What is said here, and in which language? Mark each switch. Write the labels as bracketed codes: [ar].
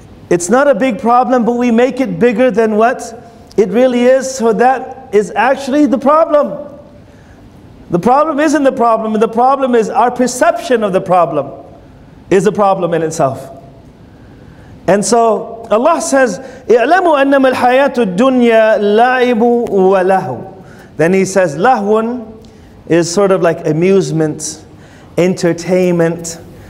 [en] It's not a big problem, but we make it bigger than what it really is. So that is actually the problem. The problem isn't the problem. The problem is our perception of the problem is a problem in itself. And so Allah says, [ar] اِعْلَمُوا أَنَّمَا الْحَيَاةُ الدُّنْيَا لَعِبُ وَلَهُ. [en] Then He says, lahun is sort of like amusement, entertainment.